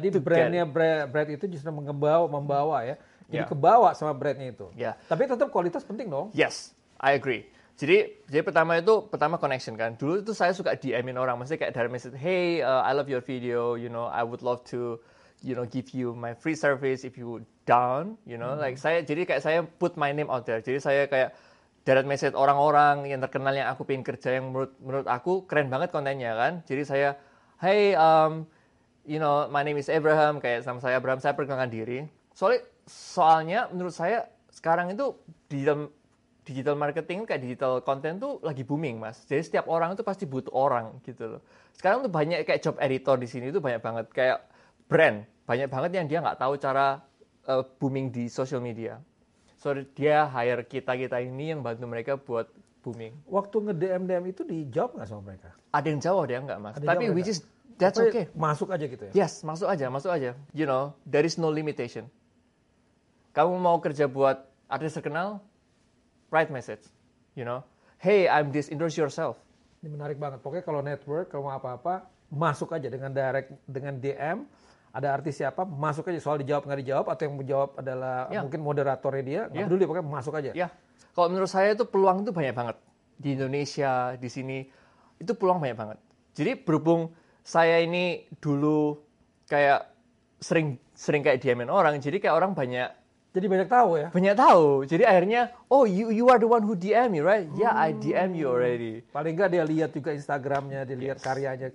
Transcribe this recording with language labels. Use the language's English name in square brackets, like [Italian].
[Indonesian] Jadi brandnya Brad itu justru membawa ya. Jadi kebawa sama Brad-nya itu. [English] Yeah. [Indonesian] Tapi tetap kualitas penting dong. [English] Yes, I agree. [Indonesian] Jadi pertama itu, pertama connection kan. Dulu itu saya suka DM-in orang. Maksudnya kayak dari [English] message, hey, I love your video, you know, I would love to, you know, give you my free service if you down, you know. [Indonesian] Like saya, jadi kayak saya [English] put my name out there. [Indonesian] Jadi saya kayak direct message orang-orang yang terkenal yang aku pengen kerja, yang menurut aku keren banget kontennya kan. Jadi saya, [English] hey, you know, my name is Abraham. [Indonesian] Kayak nama saya Abraham, saya perkenalkan diri. Soalnya menurut saya sekarang itu digital marketing, kayak digital content tuh lagi booming, Mas. Jadi setiap orang itu pasti butuh orang gitu loh. Sekarang tuh banyak kayak job editor di sini tuh banyak banget. Kayak brand, banyak banget yang dia nggak tahu cara booming di social media. So, dia hire kita-kita ini yang bantu mereka buat booming. Waktu nge-DM-DM itu dijawab nggak sama mereka? Ada yang jawab, ada yang nggak, Mas. Tapi [English] which is, that's okay. [Indonesian] Masuk aja gitu ya? Yes, masuk aja. [English] You know, there is no limitation. [Indonesian] Kamu mau kerja buat artis terkenal, [English] write message. You know, hey, I'm this, introduce yourself. [Indonesian] Ini menarik banget. Pokoknya kalau network, kalau mau apa-apa, masuk aja dengan direct, dengan DM. Ada artis siapa, masuk aja. Soal dijawab nggak dijawab, atau yang menjawab adalah mungkin moderatornya dia, nggak peduli, pokoknya masuk aja. Yeah. Kalau menurut saya itu peluang itu banyak banget. Di Indonesia, di sini, itu peluang banyak banget. Jadi berhubung saya ini dulu kayak sering kayak DM-in orang, jadi kayak orang banyak. Jadi banyak tahu ya? Banyak tahu. Jadi akhirnya, [English] oh you are the one who DM me, right? Yeah, I DM you already. [Indonesian] Paling nggak dia lihat juga Instagramnya, dia lihat karyanya.